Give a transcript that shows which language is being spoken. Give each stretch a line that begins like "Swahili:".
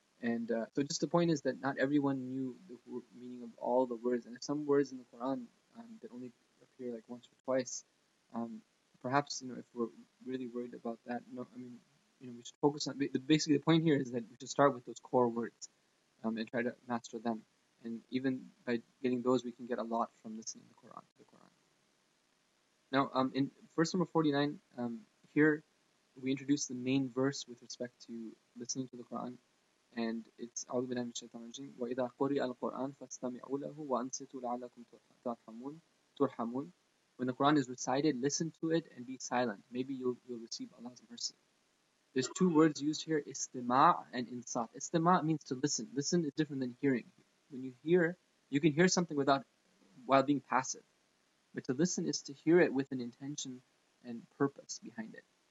English: And so just the point is that not everyone knew the meaning of all the words, and if some words in the Quran that only appear like once or twice, perhaps, you know, if we're really worried about that, no, I mean, you know, we should focus on, basically the point here is that we should start with those core words and try to master them. And even by getting those, we can get a lot from listening to the Quran. Now, in verse number 49, here we introduce the main verse with respect to listening to the Quran. And it's
Arabic: أعوذ بالله من الشيطان الرجيم وإذا قرئ القرآن فاستمعوا له وأنصتوا لعلكم ترحمون.
English: When the Quran is recited, listen to it and be silent. Maybe you'll receive Allah's mercy. There's two words used here, istima' and insat. Istima' means to listen. Listen is different than hearing. When you hear, you can hear something without, while being passive. But to listen is to hear it with an intention and purpose behind it.